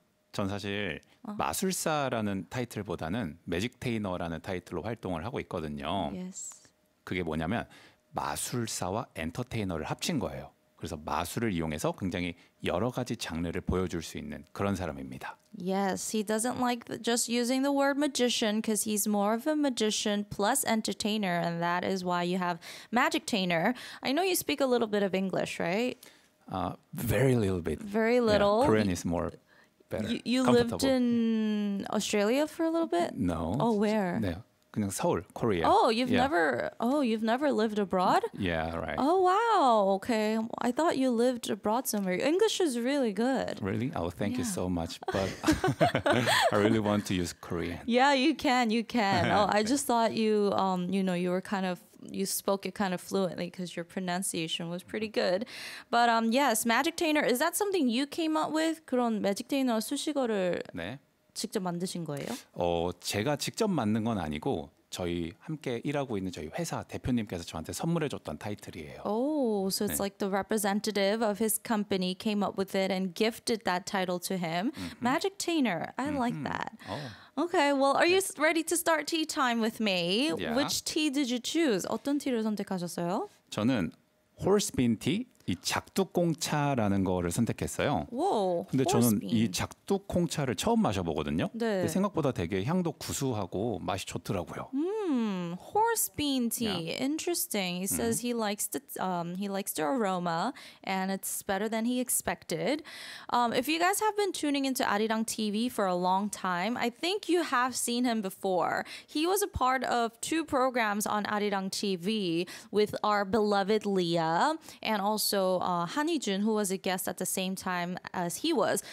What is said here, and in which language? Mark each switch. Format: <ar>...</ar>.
<ko>전 사실 마술사라는 타이틀보다는 매직테이너라는 타이틀로 활동을 하고 있거든요.</ko> <en>Yes.</en> <ko>그게 뭐냐면 마술사와 엔터테이너를 합친 거예요. 그래서 마술을 이용해서 굉장히 여러 가지 장르를 보여줄 수 있는 그런 사람입니다.</ko> <en>Yes, he doesn't like just using the word magician because he's more of a magician plus entertainer, and that is why you have magictainer. I know you speak a little bit of English, right? Very little bit. Very little. Yeah, Korean is more better. You lived in Australia for a little bit? No. Oh, where?</en> <ko>네. 그냥 서울, Korea.</ko> <en>Oh, you've never. Oh, you've never lived abroad? Yeah, right. Oh, wow. Okay. I thought you lived abroad somewhere. English is really good. Really? Oh, thank you so much. But I really want to use Korean. Yeah, you can. You can. Oh, I just thought you you know, you were kind of you spoke it kind of fluently because your pronunciation was pretty good. But yes, Magictainer, is that something you came up with?</en> <ko>그런 매직테이너 수식어를 네. 직접 만드신 거예요? 제가 직접 만든 건 아니고 저희 함께 일하고 있는 저희 회사 대표님께서 저한테 선물해 줬던 타이틀이에요.</ko> <en>Oh, so it's 네. like the representative of his company came up with it and gifted that title to him. Mm-hmm. Magictainer. I like that. Oh. Okay, well, are you ready to start tea time with me? Yeah. Which tea did you choose?</en> <ko>어떤 티를 선택하셨어요? 저는 홀스빈 티, 이 작두콩차라는 거를 선택했어요. 와, 근데 저는 이 작두콩차를 처음 마셔보거든요. 네. 근데 생각보다 되게 향도 구수하고 맛이 좋더라고요.</ko> <en>Horse bean tea. Yeah. Interesting. He says he likes the aroma and it's better than he expected. If you guys have been tuning into Arirang TV for a long time, I think you have seen him before. He was a part of two programs on Arirang TV with our beloved Leah and also Han Hee-jun, who was a guest at the same time as he was.</en>